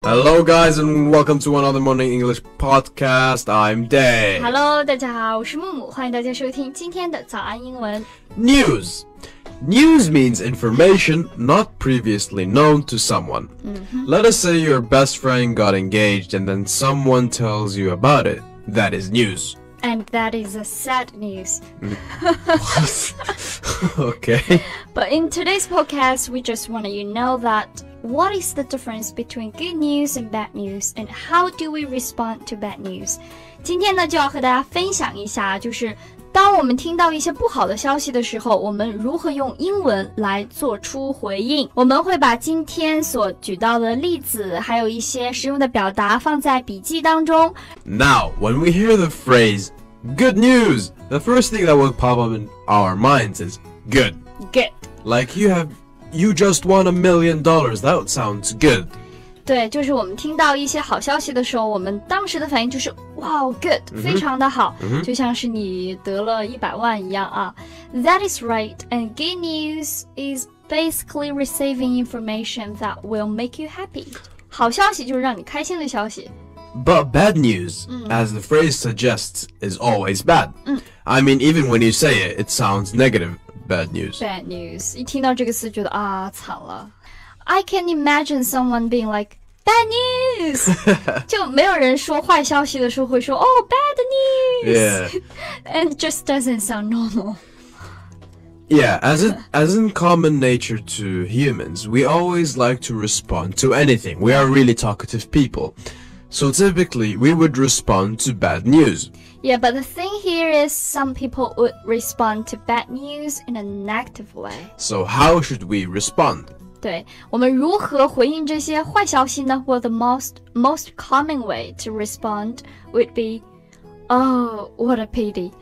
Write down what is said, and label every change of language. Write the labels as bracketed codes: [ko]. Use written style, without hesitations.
[en] Hello, guys, and welcome to another Morning English podcast. I'm Day. [zh] Hello, 大家好，我是木木，欢迎大家收听今天的早安英文。 [en] News. News means information not previously known to someone.、Mm-hmm. Let us say your best friend got engaged and then someone tells you about it. That is news. And that is a sad news. Okay. But in today's podcast, we just want to let you know that... What is the difference between good news and bad news? And how do we respond to bad news? [zh] 今天呢就要和大家分享一下就是当我们听到一些不好的消息的时候我们如何用英文来做出回应。我们会把今天所举到的例子还有一些实用的表达放在笔记当中。 [en] Now, when we hear the phrase good news, the first thing that will pop up in our minds is good. Good. Like you haveYou just won $1 million. That sounds good. [zh] 对，就是我们听到一些好消息的时候，我们当时的反应就是 [en] Wow, good,、 [zh] mm-hmm. 非常的好、mm-hmm. 就像是你得了100万一样啊。 [en] That is right. And good news is basically receiving information that will make you happy. [zh] 好消息就是让你开心的消息。 [en] But bad news,、mm. as the phrase suggests, is always bad.、Mm. I mean, even when you say it, it sounds negative. Bad news. Bad news. [zh] 一听到这个词觉得啊惨了。 [en] I can imagine someone being like, bad news! [zh] 就没有人说坏消息的时候会说 [en] oh, bad news! Yeah. And it just doesn't sound normal. Yeah, as in common nature to humans, we always like to respond to anything. We are really talkative people. So typically, we would respond to bad news. Yeah, but the thing here is some people would respond to bad news in a negative way. So how should we respond? [zh] 对，我们如何回应这些坏消息呢？ [en] Well, the most common way to respond would be, Oh, what a pity.